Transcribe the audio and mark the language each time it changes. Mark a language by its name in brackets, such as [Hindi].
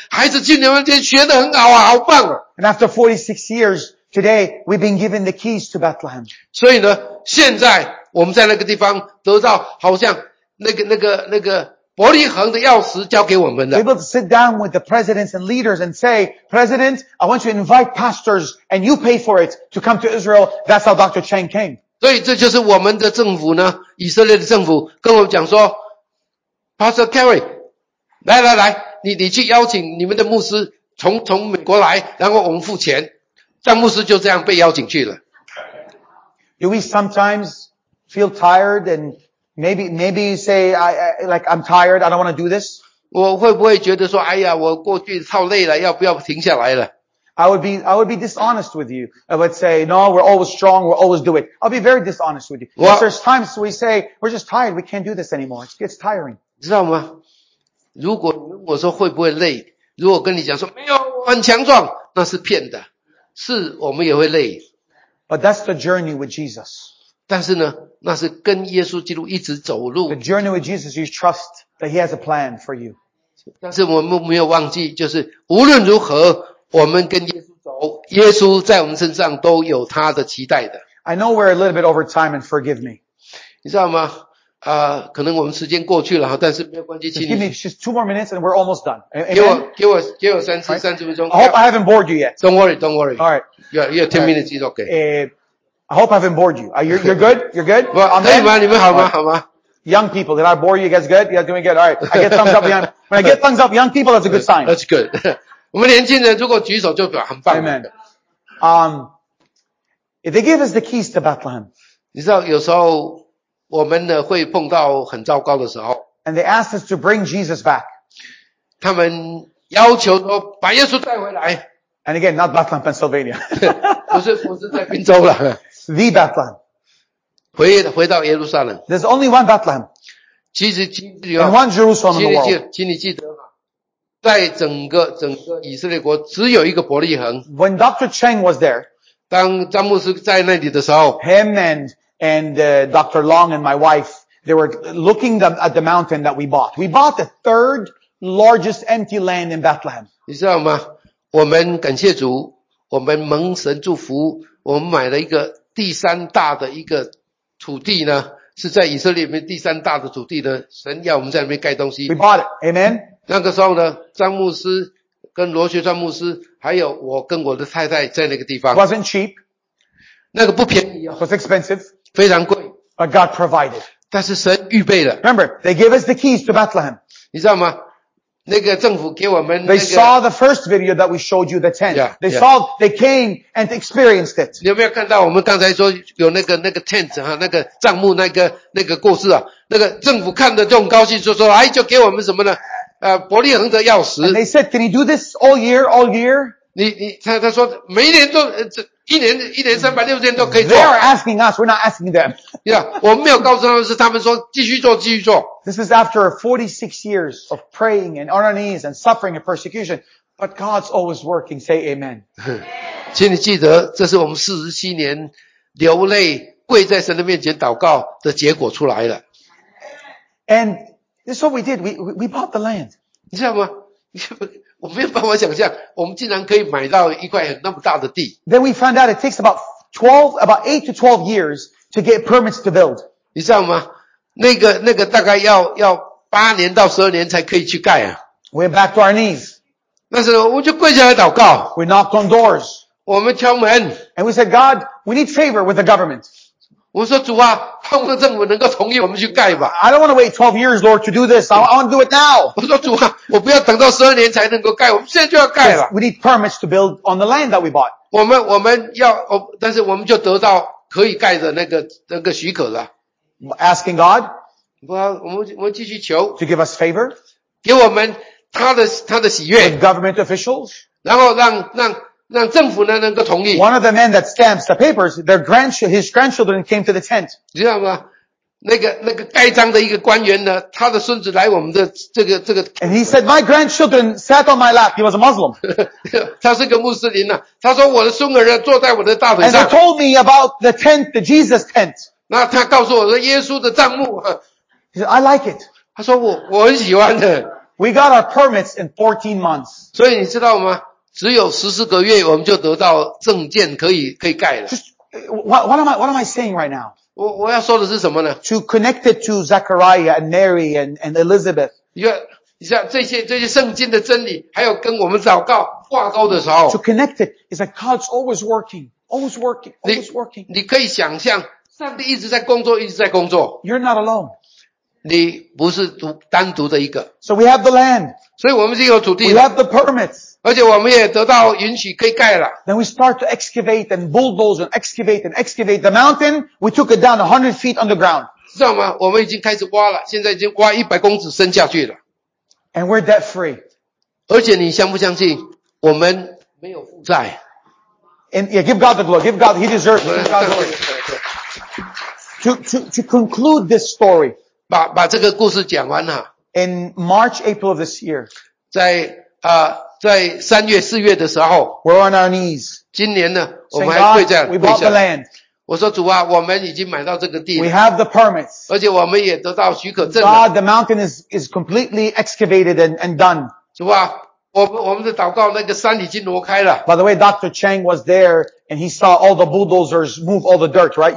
[Chinese] 打我们的，攻击我们的，现在把他们的孩子、孙子送到我们教会来说，孩子今年学得很好啊，好棒啊！ [English] And after 46 years, today we've been given the keys to Bethlehem. [Chinese] 所以呢，现在我们在那个地方得到好像那个伯利恒的钥匙交给我们的。 [English] We're able to sit down with the presidents and leaders and say, President, I want you to invite pastors and you pay for it to come to Israel. That's how Dr. Cheng came. [Chinese] 所以这就是我们的政府呢，以色列的政府跟我们讲说 ，Pastor Curry， 来来来，你去邀请你们的牧师从美国来，然后我们付钱，詹牧师就这样被邀请去了。 [English] Do we sometimes feel tired and maybe you say like I'm tired, I don't want to do this? [Chinese] 我会不会觉得说，哎呀，我过去操累了，要不要停下来了 [English] ？I would be dishonest with you. I would say no, we're always strong, we'll always do it. I'll be very dishonest with you. There's times we say we're just tired, we can't do this anymore. It's tiring. [Chinese] 知道吗？如果我说会不会累？如果跟你讲说没有，我很强壮，那是骗的。是我们也会累。 [English] But that's the journey with Jesus. [Chinese] 但是呢，那是跟耶稣基督一直走路。 [English] The journey with Jesus, you trust that He has a plan for you. [Chinese] 但是我们没有忘记，就是无论如何，我们跟耶稣走，耶稣在我们身上都有他的期待的。 [English] I know we're a little bit over time, and forgive me. [Chinese] 你知道吗？可能我们时间过去了，但是没有关系，请你。 [English] Give me just two more minutes and we're almost done. [Chinese] 给我三十分钟。 [English] I hope I haven't bored you yet. Don't worry. All right. Yeah, 10 minutes is okay. I hope I haven't bored you. You're good? [Chinese] Well, 可以吗？你们好吗？好吗？ [English] Young people, did I bore you guys good? You guys doing good? All right. I get thumbs up, young. When I get thumbs up, young people, that's a good sign. That's good. [Chinese] 我们年轻人如果举手就很棒。 [English] Amen. If they give us the keys to Bethlehem. [Chinese] 你知道有时候我们呢会碰到很糟糕的时候。 [English] And they asked us to bring Jesus back. [Chinese] 他们要求说把耶稣带回来。 [English] And again, not Bethlehem, Pennsylvania. [Chinese] 不是在宾州了。 [English] The Bethlehem. [Chinese] 回到耶路撒冷。 [English] There's only one Bethlehem. And one Jerusalem in the world. [Chinese] 请你记得吗？在整个以色列国只有一个伯利恒。 [English] When Dr. Cheng was there. [Chinese] 当詹牧师在那里的时候。 [English] And Dr. Long and my wife, they were looking at the mountain that we bought. We bought the third largest empty land in Bethlehem. [Chinese] 你知道吗？我们感谢主，我们蒙神祝福，我们买了一个第三大的一个土地呢，是在以色列里面第三大的土地呢。神要我们在那边盖东西。 [English] We bought it. Amen. [Chinese] 那个时候呢，詹牧师跟罗学川牧师，还有我跟我的太太在那个地方。 [English] Wasn't cheap. [Chinese] 那个不便宜啊。 [English] Was expensive. [Chinese] 非常贵。 [English] But God provided. [Chinese] 但是神预备了。 [English] Remember, they gave us the keys to Bethlehem. [Chinese] 你知道吗？那个政府给我们、那个。 [English] They saw the first video that we showed you, the tent. Yeah, they yeah. saw, they came and experienced it. [Chinese] 你有没有看到我们刚才说有那个 tent, 啊、那个帐幕那个故事啊，那个政府看得就很高兴就说哎就给我们什么呢伯利恒的钥匙。 [English] And they said, can you do this all year? [Chinese] 他说每一年都一年365天都可以做。 [English] They are asking us, we're not asking them. [Chinese] Yeah, 我们没有告诉他们是他们说继续做。 [English] This is after 46 years of praying and on our knees and suffering and persecution, but God's always working, say amen. [Chinese] 请你记得这是我们47年流泪跪在神的面前祷告的结果出来了。 [English] And this is what we did, we bought the land. [Chinese] 你知道吗我没有办法想象，我们竟然可以买到一块很那么大的地。 [English] Then we found out it takes about 8 to 12 years to get permits to build. [Chinese] 你知道吗？那个大概要8年到12年才可以去盖啊。 [English] We're back to our knees. [Chinese] 那时候我就跪下来祷告。 [English] We knocked on doors. [Chinese] 我们敲门。 [English] And we said, God, we need favor with the government. [Chinese] 我说主啊，盼望政府能够同意我们去盖吧。 [English] I don't want to wait 12 years, Lord, to do this. I want to do it now. [Chinese] 我说主啊，我不要等到12年才能够盖，我们现在就要盖了。 [English] We need permits to build on the land that we bought. [Chinese] 我们要，但是我们就得到可以盖的那个许可了。 [English] Asking God. [Chinese] 不，我们继续求。 [English] To give us favor. [Chinese] 给我们他的喜悦。 [English] With government officials. [Chinese] 然后让政府呢能够同意。 [English] One of the men that stamps the papers, his grandchildren came to the tent. [Chinese] 知道吗？那个盖章的一个官员呢，他的孙子来我们的这个。 [English] And he said, my grandchildren sat on my lap. He was a Muslim. [Chinese] 他是个穆斯林呢、啊。他说我的孙儿坐在我的大腿上。 [English] And he told me about the tent, the Jesus tent. [Chinese] 那他告诉我说耶稣的帐幕。 [English] He said, I like it. [Chinese] 他说我很喜欢的。 [English] We got our permits in 14 months. [Chinese] 所以你知道吗？只有14个月，我们就得到证件可以盖了。 [English] What am I saying right now? [Chinese] 我要说的是什么呢 [English] ？To connect it to Zechariah and Mary and Elizabeth. [Chinese] 像这些圣经的真理，还有跟我们祷告挂钩的时候。 [English] To connect it is like God's always working, always working, always working. [Chinese] 你可以想象，上帝一直在工作，一直在工作。 [English] You're not alone. [Chinese] 你不是独单独的一个。 [English] So we have the land. [Chinese] 所以我们已经有土地了。 [English] We have the permits. [Chinese] 而且我们也得到允许可以盖了。 [English] Then we start to excavate and bulldoze and excavate and excavate the mountain. We took it down 100 feet underground. [Chinese] 知道吗？我们已经开始挖了，现在已经挖100公尺深下去了。 [English] And we're debt free. [Chinese] 而且你相不相信，我们没有负债。 [English] And yeah, give God the glory. Give God, He deserves it. Give God the glory. To conclude this story. [Chinese] 把这个故事讲完了。 [English] In March, April of this year. [Chinese] 在三月、四月的时候。 [English] We're on our knees. [Chinese] 今年呢，我们还跪下。 [English] We bought the land. [Chinese] 我说主啊，我们已经买到这个地。 [English] We have the permits. [Chinese] 而且我们也得到许可证了。 [English] God, the mountain is completely excavated and done. [Chinese] 主啊，我们的祷告那个山已经挪开了。 [English] By the way, Dr. Chang was there and he saw all the bulldozers move all the dirt, right?